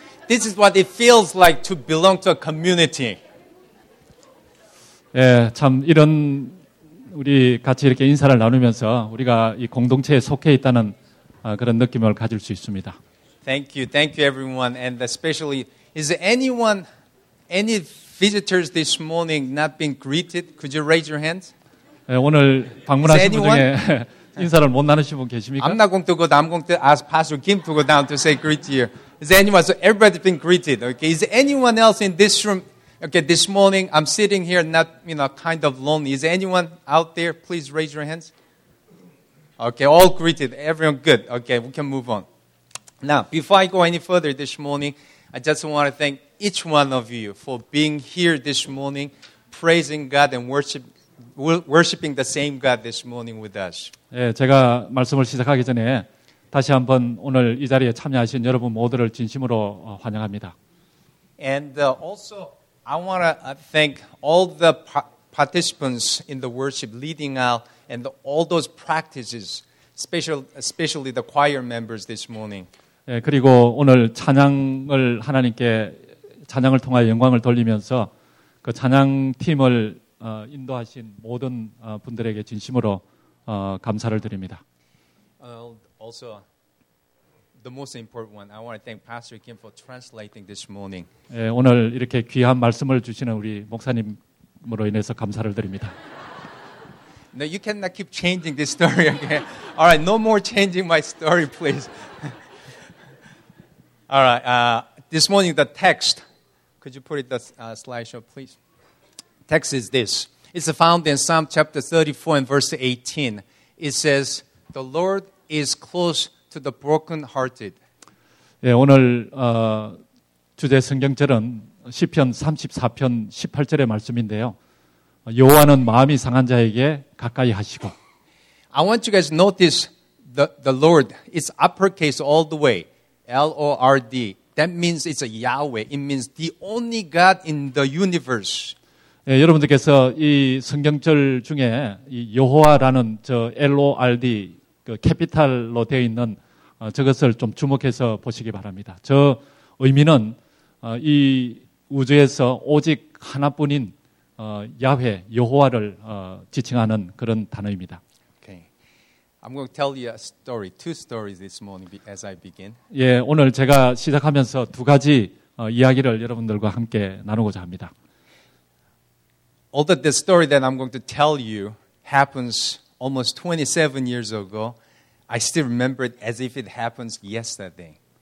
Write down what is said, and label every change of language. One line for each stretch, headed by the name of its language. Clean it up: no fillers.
English: This is what it feels like to belong to a community.
Korean: 예, 참 이런 우리 같이 이렇게 인사를 나누면서 우리가 이 공동체에 속해 있다는 그런 느낌을 가질 수 있습니다.
English: Thank you. Thank you everyone. And especially is anyone any visitors this morning not being greeted? Could you raise your hands?
Korean: 오늘 방문하신 분 중에 인사를 못 나누신 분 계십니까?
English: I'm not going to go down. I'm going to ask Pastor Kim to go down to say greet you. Is anyone? So everybody's been greeted. Okay. Is anyone else in this room? Okay. This morning, I'm sitting here, not you know, kind of lonely. Is anyone out there? Please raise your hands. Okay. All greeted. Everyone good. Okay. We can move on. Now, before I go any further this morning, I just want to thank each one of you for being here this morning, praising God and worshiping the same God this morning with us.
Korean: 예, 제가 말씀을 시작하기 전에 다시 한번 오늘 이 자리에 참여하신 여러분 모두를 진심으로 환영합니다.
English: And also, I want to thank all the participants in the worship leading out and all those practices, especially the choir members this morning.
Korean: 예, 그리고 오늘 찬양을 하나님께 찬양을 통하여 영광을 돌리면서 그 찬양팀을 인도하신 모든 분들에게 진심으로 감사를 드립니다.
English: Also, the most important one, I want to thank Pastor Kim for translating this morning.
Korean: 예, 오늘 이렇게 귀한 말씀을 주시는 우리 목사님으로 인해서 감사를 드립니다.
English: No, you cannot keep changing this story again. All right, no more changing my story, please. All right, this morning the text, could you put it the slideshow, please? Text is this. It's found in Psalm chapter 34 and verse 18. It says, the Lord is close to the brokenhearted.
Korean: 예, 오늘 주제 성경절은 시편 34편 18절의 말씀인데요. 여호와는 마음이 상한 자에게 가까이 하시고.
English: I want you guys to notice the Lord. It's uppercase all the way. L-O-R-D. That means it's a Yahweh. It means the only God in the universe.
Korean: 예, 여러분들께서 이 성경절 중에 이 여호와라는 저 L-O-R-D 그 캐피탈로 되어 있는 저것을 좀 주목해서 보시기 바랍니다. 저 의미는 이 우주에서 오직 하나뿐인 야훼, 여호와를 지칭하는 그런 단어입니다.
English: Okay. I'm going to tell you a story, two stories this morning as I begin.
Korean: 예, 오늘 제가 시작하면서 두 가지 이야기를 여러분들과 함께 나누고자 합니다.
English: Although the story that I'm going to tell you happens almost 27 years ago, I still remember it as if it happens yesterday.